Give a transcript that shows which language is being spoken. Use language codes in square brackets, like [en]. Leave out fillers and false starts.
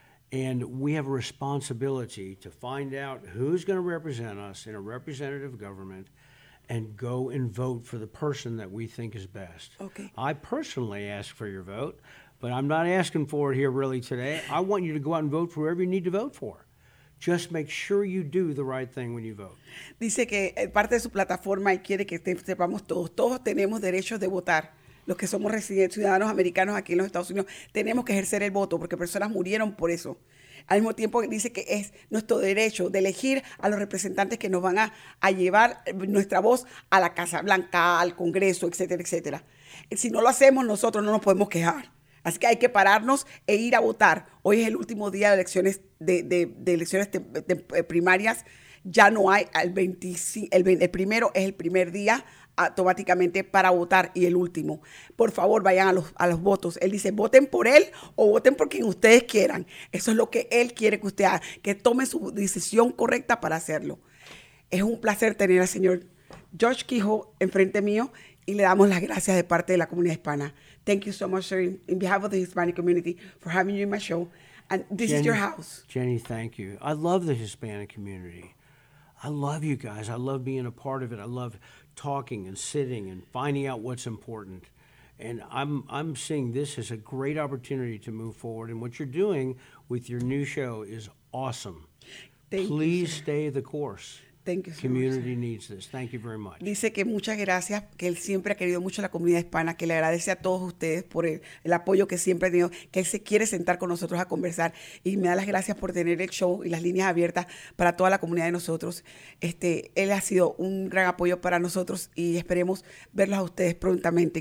[en] And we have a responsibility to find out who's going to represent us in a representative government and go and vote for the person that we think is best. Okay. I personally ask for your vote, but I'm not asking for it here really today. I want you to go out and vote for whoever you need to vote for. Just make sure you do the right thing when you vote. [es] Dice que parte de su plataforma y quiere que sepamos todos. Todos tenemos derecho de votar. Los que somos residentes, ciudadanos americanos aquí en los Estados Unidos, tenemos que ejercer el voto porque personas murieron por eso. Al mismo tiempo, dice que es nuestro derecho de elegir a los representantes que nos van a llevar nuestra voz a la Casa Blanca, al Congreso, etcétera, etcétera. Si no lo hacemos, nosotros no nos podemos quejar. Así que hay que pararnos e ir a votar. Hoy es el último día de elecciones, de elecciones de primarias. Ya no hay, el primero es el primer día automáticamente para votar y el último. Por favor, vayan a los votos. Él dice, voten por él o voten por quien ustedes quieran. Eso es lo que él quiere que usted haga, que tome su decisión correcta para hacerlo. Es un placer tener al señor George Keough enfrente mío y le damos las gracias de parte de la comunidad hispana. [en] Thank you so much, sir, in behalf of the Hispanic community for having you in my show. And this Jenny, is your house. Jenny, thank you. I love the Hispanic community. I love you guys. I love being a part of it. I love talking and sitting and finding out what's important. And I'm seeing this as a great opportunity to move forward. And what you're doing with your new show is awesome. Please stay the course. Thank you so community much, needs this. Thank you very much. [es] Dice que muchas gracias, que él siempre ha querido mucho la comunidad hispana, que le agradece a todos ustedes por el apoyo que siempre ha tenido, que él se quiere sentar con nosotros a conversar y me da las gracias por tener el show y las líneas abiertas para toda la comunidad de nosotros. Él ha sido un gran apoyo para nosotros y esperemos verlos a ustedes prontamente.